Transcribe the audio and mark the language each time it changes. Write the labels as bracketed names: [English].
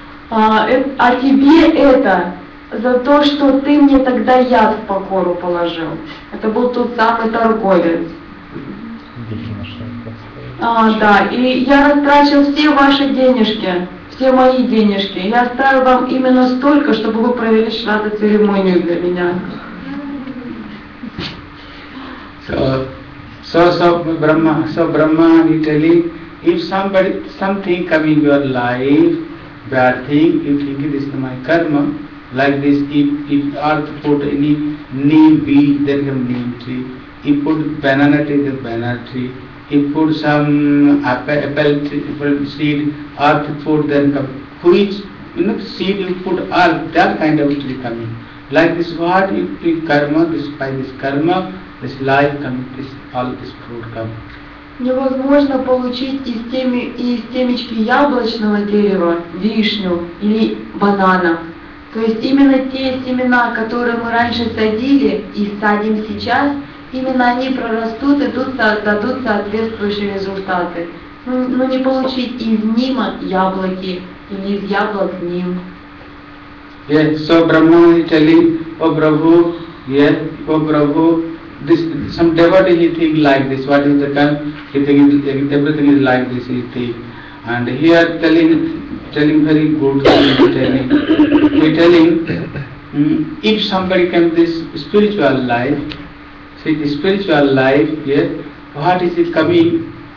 [Russian] А тебе это за то, что ты мне тогда яд в покору положил. Это был тот самый торговец. Да, и я растрачил все ваши денежки, все мои денежки. Я оставил вам именно столько, чтобы вы провели шрада церемонию для меня». [English] So Brahma, he telling, if something coming your life, bad thing, you think it is my karma, like this, if earth put any neem bee, then you have neem tree. If put banana tree, then banana tree. If put some apple seed, earth put, then which, you know, seed you put earth, that kind of tree coming. Like this, what if the karma, this by this karma, this life come, this all this fruit come. [Russian] Невозможно получить из семечки яблочного дерева вишню или банана. То есть именно те семена, которые мы раньше садили и садим сейчас, именно они прорастут и дадут соответствующие результаты. Но не получить из нима яблоки или из яблок ним. [English] Yes, so Brahma is telling, oh Prabhu, yes, oh Prabhu, this some devotee he think like this, what is the term? He think everything is like this, he think. And he is telling very good thing, telling if somebody can this spiritual life, see the spiritual life here, what is it coming?